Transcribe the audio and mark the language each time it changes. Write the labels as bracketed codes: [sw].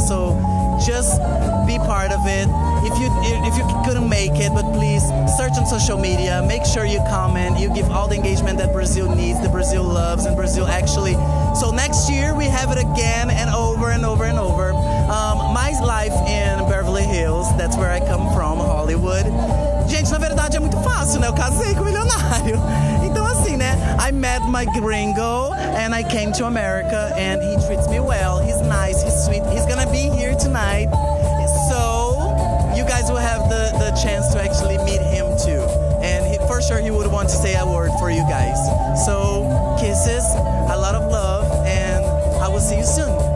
[en] So just be part of it. If you couldn't make it, but please search on social media. Make sure you comment. You give all the engagement that Brazil needs, that Brazil loves, and Brazil actually. So next year we have it again and over and over and over. My life in Beverly Hills, that's where I come from, Hollywood. [pt] Gente, na verdade é muito fácil, né? Eu casei com um milionário. Então assim, né? [en] I met my gringo and I came to America and he treats me well. He's nice, he's sweet. He's gonna be here tonight. So you guys will have the chance to actually meet him too. And he, for sure he would want to say a word for you guys. So kisses, a lot of love, and I will see you soon.